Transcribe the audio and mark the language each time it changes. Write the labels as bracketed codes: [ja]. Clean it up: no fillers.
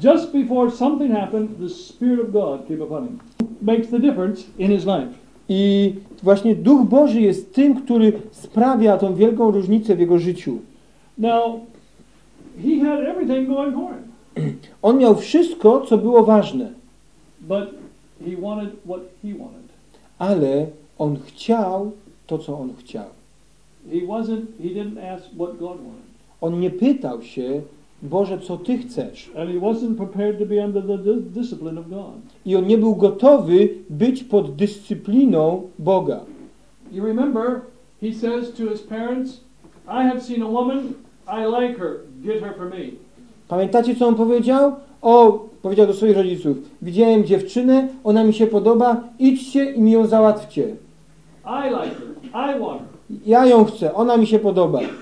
[en] Just before something happened, the Spirit of God came upon him. Makes the difference in his life. [pl] I właśnie Duch Boży jest tym, który sprawia tą wielką różnicę w jego życiu. [en] Now, he had everything going for him. [pl] On miał wszystko, co było ważne. [en] But he wanted what he wanted. [pl] Ale on chciał to, co on chciał. [en] He didn't ask what God wanted. [pl] On nie pytał się, Boże, co Ty chcesz. [en] And he wasn't prepared to be under the discipline of God. [pl] I on nie był gotowy być pod dyscypliną Boga. [en] You remember, he says to his parents, I have seen a woman, I like her, get her for me. [pl] Pamiętacie, co on powiedział? O, powiedział do swoich rodziców. Widziałem dziewczynę, ona mi się podoba, idźcie i mi ją załatwcie. [en] I like her. I want her. [pl] Ja ją chcę, ona mi się podoba.